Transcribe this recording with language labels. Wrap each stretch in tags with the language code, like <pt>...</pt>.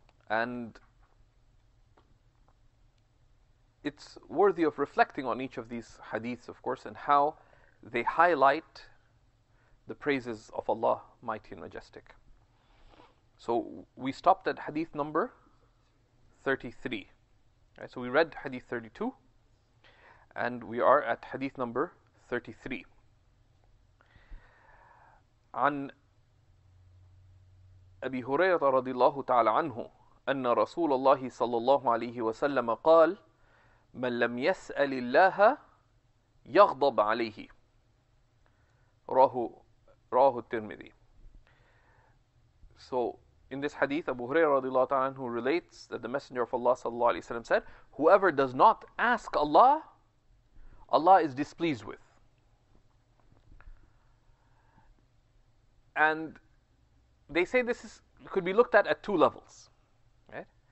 <en>And it's worthy of reflecting on each of these hadiths, of course, and how they highlight the praises of Allah, mighty and majestic. So we stopped at hadith number 33. Right, so we read hadith 32, and we are at hadith number 33.</en> <ar>عن أبي هريرة رضي الله تعالى عنه أن رسول الله صلى الله عليه وسلم قال مَنْ لَمْ يَسْأَلِ اللَّهَ يَغْضَبْ عَلَيْهِ رَاهُ الْتِرْمِذِي.</ar> <en>So, in this hadith, Abu Hurairah radiallahu ta'ala anhu relates that the Messenger of Allah sallallahu alayhi wa sallam said, whoever does not ask Allah, Allah is displeased with. And they say this is, could be looked at two levels. Right?</en>